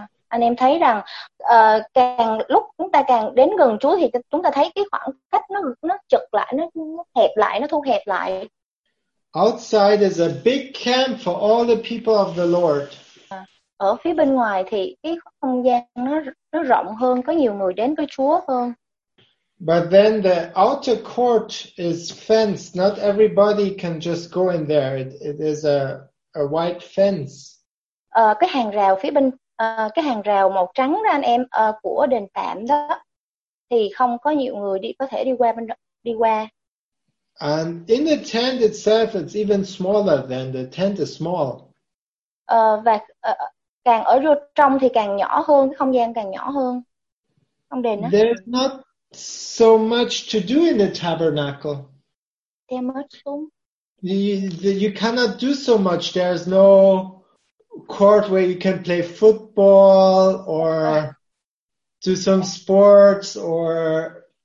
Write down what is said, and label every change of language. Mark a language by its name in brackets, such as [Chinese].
[Vietnamese] Anh em thấy rằng càng lúc chúng ta càng đến gần Chúa thì chúng ta thấy cái khoảng cách nó chật lại, nó hẹp lại, nó thu hẹp lại. [English] Outside is a big camp for all the people of the Lord. [Vietnamese] Ở phía bên ngoài thì cái không gian nó rộng hơn, có nhiều người đến với Chúa hơn. [English] But then the outer court is fenced. Not everybody can just go in there. It is a white fence. [Vietnamese] Cái hàng rào màu trắng đó anh em, của đền tạm đó thì không có nhiều người có thể đi qua. [English] And in the tent itself, it's even smaller than the tent is small. [Vietnamese] Và càng ở trong thì càng nhỏ hơn, không gian càng nhỏ hơn trong đền đó. [English] There's not so much to do in the tabernacle. You cannot do so much. There's no court where you can play football or do some sports, or